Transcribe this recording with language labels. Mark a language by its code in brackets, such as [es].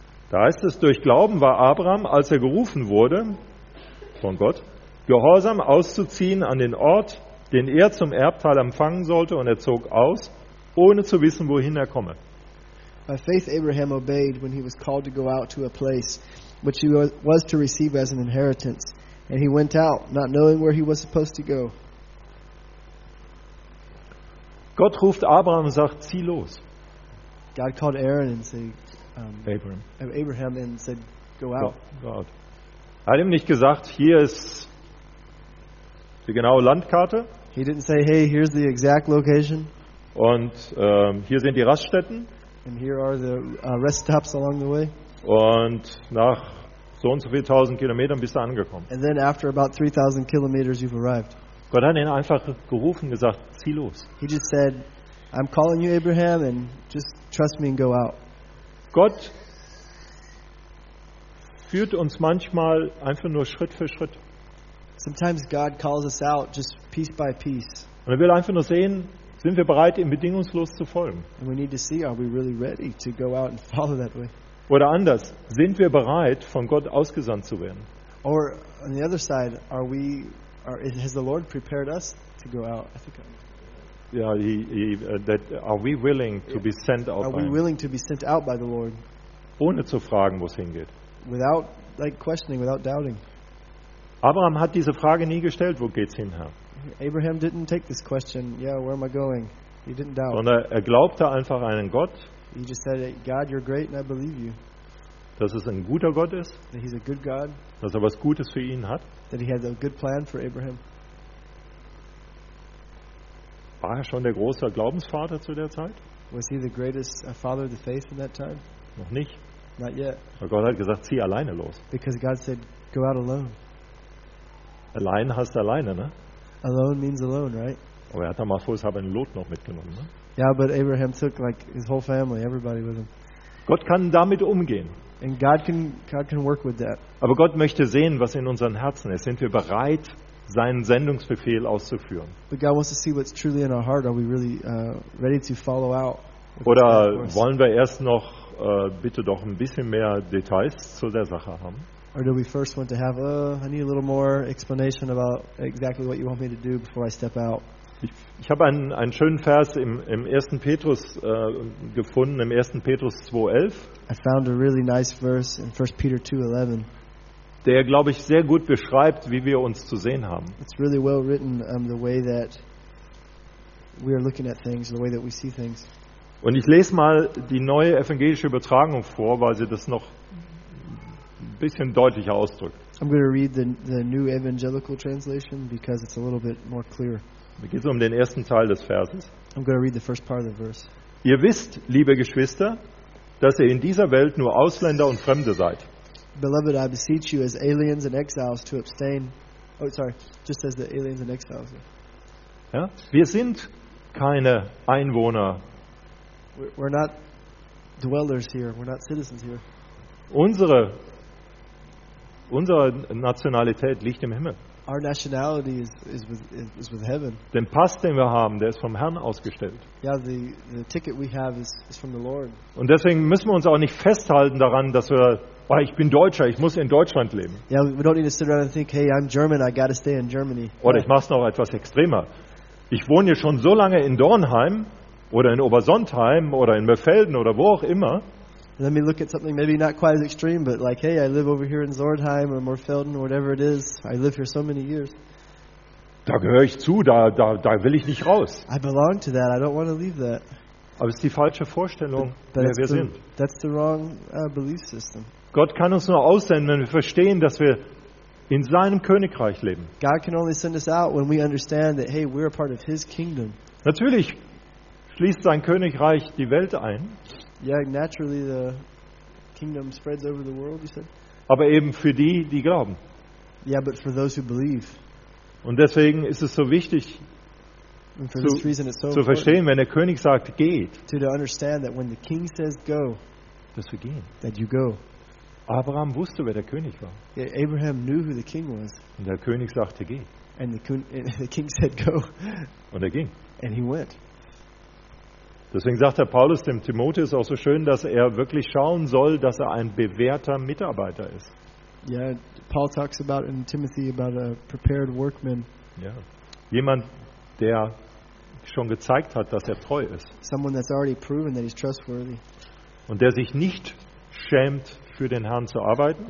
[de] Da heißt es, durch Glauben war Abraham, als er gerufen wurde von Gott, gehorsam auszuziehen an den Ort, den er zum Erbteil empfangen sollte, und er zog aus, ohne zu wissen, wohin er komme. [en] By faith Abraham obeyed when he was called to go out to a place which he was to receive as an inheritance, and he went out, not knowing where he was supposed to go. [de] Gott ruft Abraham und sagt, zieh los. [en] God called Aaron and said, Abraham and said, go out. God. [de] Hat ihm nicht gesagt, hier ist die genaue Landkarte. [en] He didn't say, hey, here's the exact location. [de] Und hier sind die Raststätten. [en] And here are the rest stops along the way. [de] Und nach so und so viel tausend Kilometern bist du angekommen. [en] And then after about 3,000 kilometers you've arrived. [de] Gott hat ihn einfach gerufen, gesagt, zieh los. [en] He just said, I'm calling you, Abraham, and just trust me and go out. [de] Gott führt uns manchmal einfach nur Schritt für Schritt. [en] Sometimes God calls us out just piece by piece. [de] Und er will einfach nur sehen, sind wir bereit, ihm bedingungslos zu folgen? [en] And we need to see, are we really ready to go out and follow that way? [de] Oder anders, sind wir bereit, von Gott ausgesandt zu werden? [en] Or on the other side, are we, are, has the Lord prepared us to go out? I think. Yeah, that are we willing to be sent out? Are we willing to be sent out by the Lord? [de] Ohne zu fragen, wo es hingeht. [en] Without like questioning, without doubting. [de] Abraham hat diese Frage nie gestellt. Wo geht's hin, Herr? [en] Abraham didn't take this question. Yeah, where am I going? He didn't doubt. [de] Sondern er glaubte einfach einen Gott. [en] He just said, God, you're great, and I believe you. [de] Dass es ein guter Gott ist. [en] That he's a good God. [de] Dass er was Gutes für ihn hat. [en] That he has a good plan for Abraham. [de] War er schon der große Glaubensvater zu der Zeit? [en] Was he the greatest father of the faith in that time? [de] Noch nicht. [en] Not yet. [de] Aber Gott hat gesagt, zieh alleine los. [en] Because God said, go out alone. [de] Allein heißt alleine, ne? [en] Alone means alone, right? [de] Aber er hat damals vorher sogar einen Lot noch mitgenommen, ne? [en] Yeah, but Abraham took like his whole family, everybody with him. [de] Gott kann damit umgehen. [en] And God can work with that. [de] Aber Gott möchte sehen, was in unseren Herzen ist. Sind wir bereit, seinen Sendungsbefehl auszuführen? [en] But God wants to see what's truly in our heart. Are we really ready to follow out? [de] Oder wollen wir erst noch bitte doch ein bisschen mehr Details zu der Sache haben? [en] Or do we first want to have, I need a little more explanation about exactly what you want me to do before I step out? [de] Ich habe einen schönen Vers im 1. Petrus gefunden, im 1. Petrus 2,11. [en] I found a really nice verse in 1 Peter 2,11. [de] Der, glaube ich, sehr gut beschreibt, wie wir uns zu sehen haben. [en] It's really well written, the way that we are looking at things, the way that we see things. [de] Und ich lese mal die neue evangelische Übertragung vor, weil sie das noch ein bisschen deutlicher ausdrückt. [en] I'm going to read the new evangelical translation because it's a little bit more clear. [de] Mir geht es um den ersten Teil des Verses. [en] I'm going to read the first part of the verse. [de] Ihr wisst, liebe Geschwister, dass ihr in dieser Welt nur Ausländer und Fremde seid. [en] Beloved, I beseech you as aliens and exiles to abstain. Oh, sorry, just as the aliens and exiles. [de] Ja, wir sind keine Einwohner. [en] We're not dwellers here. We're not citizens here. [de] Unsere Nationalität liegt im Himmel. [en] Our nationality is with heaven. [de] Den Pass, den wir haben, der ist vom Herrn ausgestellt. [en] Yeah, the ticket we have is from the Lord. [de] Und deswegen müssen wir uns auch nicht festhalten daran, dass wir, weil ich bin Deutscher, ich muss in Deutschland leben. [en] Yeah, we don't need to sit around and think, hey, I'm German, I got to stay in Germany. [de] Oder ich mach's noch etwas extremer. Ich wohne hier schon so lange in Dornheim oder in Obersontheim oder in Mefelden oder wo auch immer. [en] Let me look at something maybe not quite as extreme, but like, hey, I live over here in Zordheim or Morfelden or whatever it is. I live here so many years. [de] Da gehöre ich zu, da will ich nicht raus. [en] I belong to that. I don't want to leave that. [de] Aber es ist die falsche Vorstellung, wer wir sind. [en] That's the wrong belief system. [de] Gott kann uns nur aussenden, wenn wir verstehen, dass wir in seinem Königreich leben. [en] God can only send us out when we understand that, hey, we're a part of his kingdom. [de] Natürlich schließt sein Königreich die Welt ein. [en] Yeah, naturally the kingdom spreads over the world, you said. [de] Aber eben für die glauben. [en] Yeah, but for those who believe. [de] Und deswegen ist es so wichtig zu verstehen, wenn der König sagt, geht. [en] To understand that when the king says go, [de] dass wir gehen. [en] That you go. [de] Abraham wusste, wer der König war. [en] Yeah, Abraham knew who the king was. [de] Und der König sagte, geh. [en] And the king said go. [de] Und er ging. [en] And he went. [de] Deswegen sagt der Paulus dem Timotheus auch so schön, dass er wirklich schauen soll, dass er ein bewährter Mitarbeiter ist. [en] Ja, yeah, Paul talks about in Timothy about a prepared workman. [de] Ja, jemand, der schon gezeigt hat, dass er treu ist. [en] Someone that's already proven that he's trustworthy. [de] Und der sich nicht schämt, für den Herrn zu arbeiten.